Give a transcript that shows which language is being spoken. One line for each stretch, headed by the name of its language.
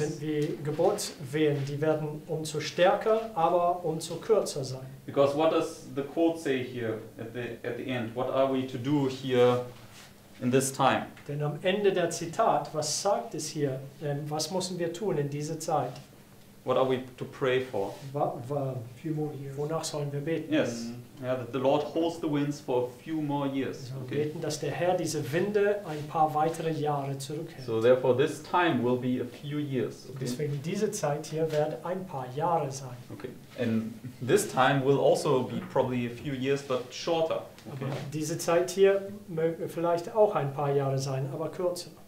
German: Sind wie Geburtswehen, die werden umso stärker, aber umso kürzer sein.
English: Because what does the quote say here at the end? What are we to do here in this time?
German: Denn am Ende der Zitat, was sagt es hier? Was müssen wir tun in dieser Zeit?
English: What are we to pray for? Few more years.
German: Wonach sollen wir beten?
English: Yes, that the Lord holds the winds for a few more years.
German: Wir beten, dass der Herr diese Winde ein paar weitere Jahre zurückhält.
English: So therefore this time will be a few years. Okay.
German: Deswegen diese Zeit hier wird ein paar Jahre sein.
English: Okay. And this time will also be probably a few years, but shorter. Okay.
German: Aber diese Zeit hier möge vielleicht auch ein paar Jahre sein, aber kürzer.